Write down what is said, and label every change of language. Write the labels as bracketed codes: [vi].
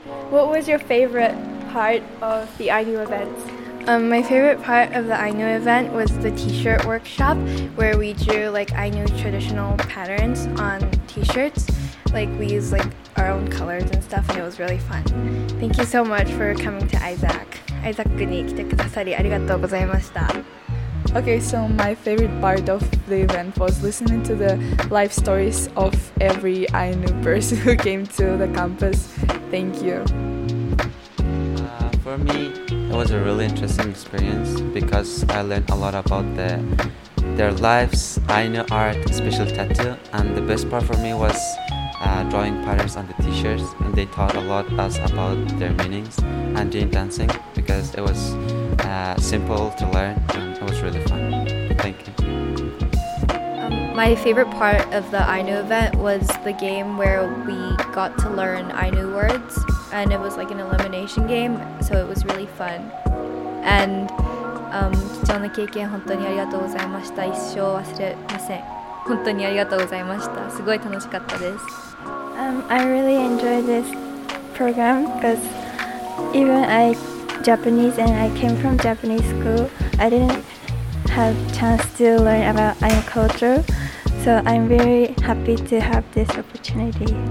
[en] What was your favourite part of the Ainu event? My favorite part of the Ainu event was the t-shirt workshop, where we drew like Ainu traditional patterns on t-shirts. Like we used like our own colors and stuff, and it was really fun. Thank you so much for coming to ISAK. [ja] ISAK に来てくださりありがとうございました。 [en] Okay, so my favorite part of the event was listening to the life stories of every Ainu person who came to the campus. Thank you. For me, it was a really interesting experience because I learned a lot about their lives, Ainu art, especially tattoo. And the best part for me was drawing patterns on the t-shirts, and they taught a lot us about their meanings and doing dancing because it was simple to learn and it was really fun. Thank you. My favorite part of the Ainu event was the game where we got to learn Ainu words, and it was like an elimination game, so it was really fun. And [ja] その経験本当にありがとうございました。一生忘れません。本当にありがとうございました。すごい楽しかったです。 [en] I really enjoyed this program because even I Japanese and I came from Japanese school, I didn't have chance to learn about Ainu culture. So I'm very happy to have this opportunity.